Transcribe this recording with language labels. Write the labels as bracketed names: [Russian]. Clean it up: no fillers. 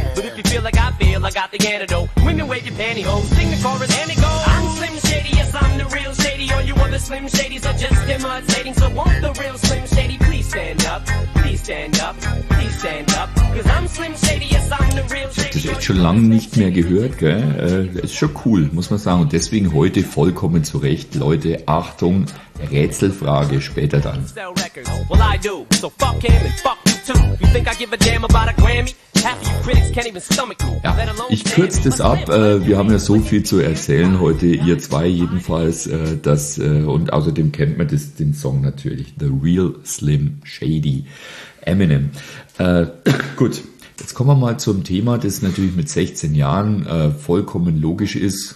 [English] But if you feel, I got the antidote. Women, wave your pantyhose, sing the chorus, and it goes. I'm Slim Shady, yes, I'm the real Shady. All you other Slim Shadys are just imitating. So won't the real Slim Shady please stand up? Please stand up, please stand up. Cause I'm Slim Shady, yes, I'm the real Shady. [German] Ich hab das echt schon lange nicht mehr gehört, gell? Ist schon cool, muss man sagen. Und deswegen heute vollkommen zu Recht, Leute, Achtung. Rätselfrage später dann. [English] Well, I do. So fuck him and fuck you too. You think I give a damn about a Grammy? Half you critics can't even stomach you. [German] Ja, ich kürze das ab. Wir haben ja so viel zu erzählen heute, ihr zwei jedenfalls. Das, und außerdem kennt man das, den Song natürlich. The Real Slim Shady. Eminem. Gut, jetzt kommen wir mal zum Thema, das natürlich mit 16 Jahren vollkommen logisch ist.